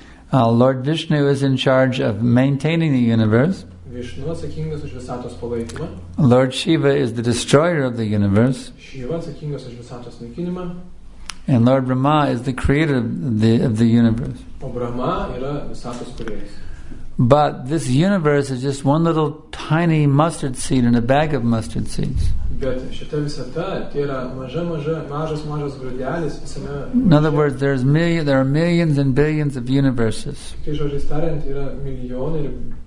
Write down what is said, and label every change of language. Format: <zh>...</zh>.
<en>Lord Vishnu is in charge of maintaining the universe.</en> <lt>Vishnu atsakingas už visatos palaikymą.</lt> <en>Lord Shiva is the destroyer of the universe.</en> <lt>Shiva atsakingas už visatos naikinimą.</lt> <en>And Lord Brahma is the creator of the universe.</en> <lt>O Brahma yra visatos kūrėjas.</lt> <en>But this universe is just one little tiny mustard seed in a bag of mustard seeds.</en> <lt>Bet šita visata, tai yra mažas grūdelis visame.</lt> <en>In other words, there are millions and billions of universes.</en> <lt>Tai žodžiais tariant, yra milijonai</lt>